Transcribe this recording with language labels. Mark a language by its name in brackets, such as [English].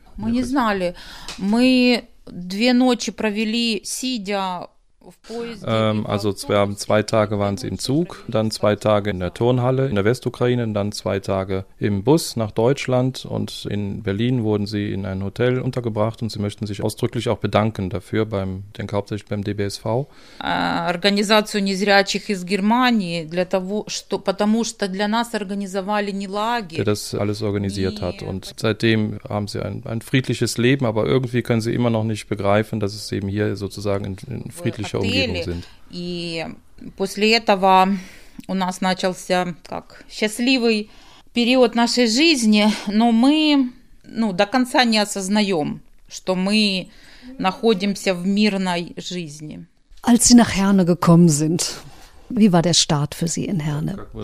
[German] Wir wussten nicht. Wir haben 2 Nächte verbracht, sitzend Also zwei Tage waren sie im Zug, dann zwei Tage in der Turnhalle in der Westukraine, dann zwei Tage im Bus nach Deutschland und in Berlin wurden sie in ein Hotel untergebracht und sie möchten sich ausdrücklich auch bedanken dafür, denke hauptsächlich beim DBSV. [Russian] Organisation Незрячих из Германии, для того, что, потому что для нас организовали не лагерь. [German] Der das alles organisiert hat und seitdem haben sie ein friedliches Leben, aber irgendwie können sie immer noch nicht begreifen, dass es eben hier sozusagen in friedlicher Umgebung sind. [Russian] И после этого у нас начался как счастливый период нашей жизни, но мы, ну, до конца не осознаем, что мы находимся в мирной жизни. [German] Als Sie nach Herne gekommen sind, wie war der Start für Sie in Herne?